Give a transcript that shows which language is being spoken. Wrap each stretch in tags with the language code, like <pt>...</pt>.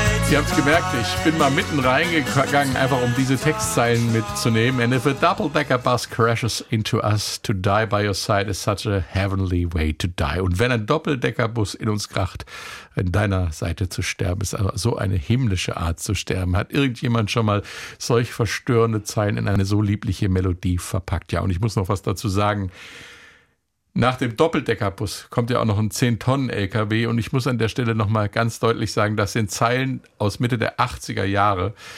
<de>Ihr habt es gemerkt, ich bin mal mitten reingegangen, einfach um diese Textzeilen mitzunehmen.</de> <en>And if a double-decker-bus crashes into us, to die by your side is such a heavenly way to die.</en> <de>Und wenn ein Doppeldeckerbus in uns kracht, an deiner Seite zu sterben, ist aber so eine himmlische Art zu sterben. Hat irgendjemand schon mal solch verstörende Zeilen in eine so liebliche Melodie verpackt? Ja, und ich muss noch was dazu sagen. Nach dem Doppeldeckerbus kommt ja auch noch ein 10-Tonnen-LKW und ich muss an der Stelle nochmal ganz deutlich sagen, das sind Zeilen aus Mitte der 80er Jahre.</de>